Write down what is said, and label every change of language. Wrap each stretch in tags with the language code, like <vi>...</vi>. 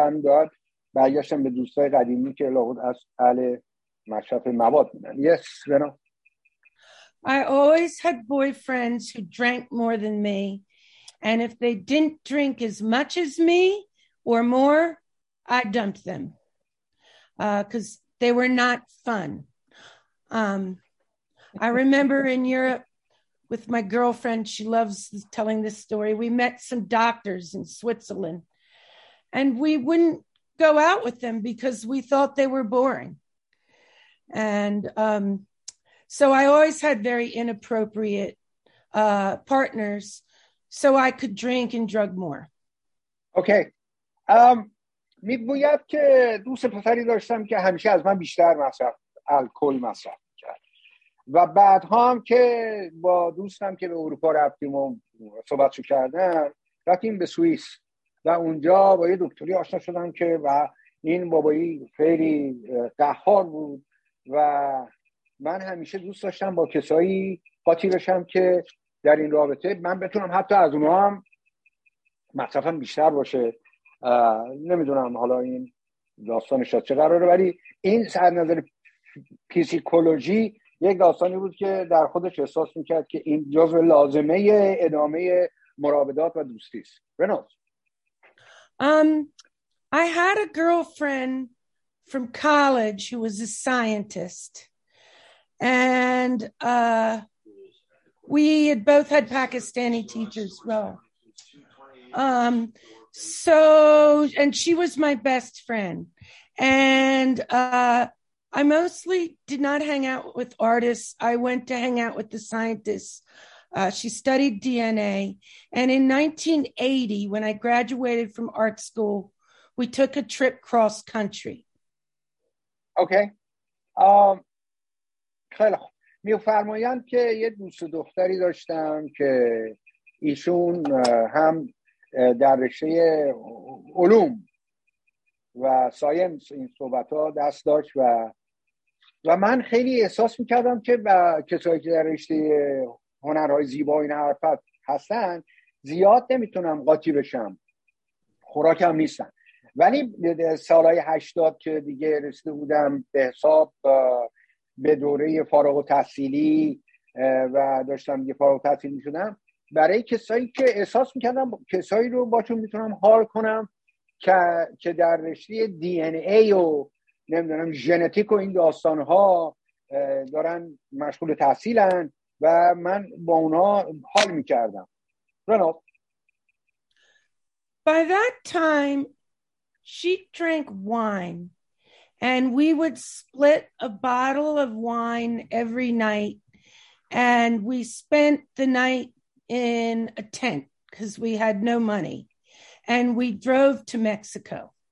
<fa>من داد برگشتم به دوستای قدیمی که لاغوت از اهل مشرف مواد بودن.</fa> <en>Yes, Rena. I always had boyfriends who drank more than me, and if they didn't drink as much as me or more, I dumped them because they were not fun. I remember in Europe with my girlfriend, she loves telling this story, we met some doctors in Switzerland and we wouldn't go out with them because we thought they were boring. And so I always had very inappropriate partners so I could drink and drug more. Okay.</en> <fa>میگوید که دوست پسری داشتم که همیشه از من بیشتر مصرف الکل مصرف میکرد و بعدها هم که با دوستم که به اروپا رفتیم و صحبت شو کردم رفتیم به سوئیس و اونجا با یه دکتری آشنا شدم که و این بابایی خیلی قهار بود و من همیشه دوست داشتم با کسایی قاطی بشم که در این رابطه من بتونم حتی از اونها هم مصرفم بیشتر باشه. نمیدونم حالا این داستانش چه قراره، ولی این سر نظر پسیکولوژی یک داستانی بود که در خودش احساس میکرد که این جزء لازمه ادامه مراودات و دوستی است. رنالد</fa> <en>I had a girlfriend from college who was a scientist and we had both had Pakistani teachers well. So, and she was my best friend. And I mostly did not hang out with artists. I went to hang out with the scientists. She studied DNA. And in 1980, when I graduated from art school, we took a trip cross country. Okay.</en> <fa>خیلی خوب. می فرمایند که یه دوست دختری داشتم که ایشون هم در رشته علوم و ساینس این صحبت ها دست داشت و من خیلی احساس میکردم که با کسایی که در رشته هنرهای زیبا این حرف هستن زیاد نمیتونم قاطی بشم، خوراکم نیستن. ولی سالهای 80 که دیگه رسیده بودم به حساب به دوره فارغ التحصیلی و داشتم دیگه فارغ التحصیل میشدم، برای کسایی که احساس میکردم کسایی رو باشون میتونم حال کنم که در رشته دی ان ای و نمیدونم ژنتیک و این داستانها دارن مشغول تحصیلن و من با اونا حال میکردم. رناب</fa> <en>By that time she drank wine and we would split a bottle of wine every night and we spent the night in a tent because we had no money and we drove to Mexico.</en>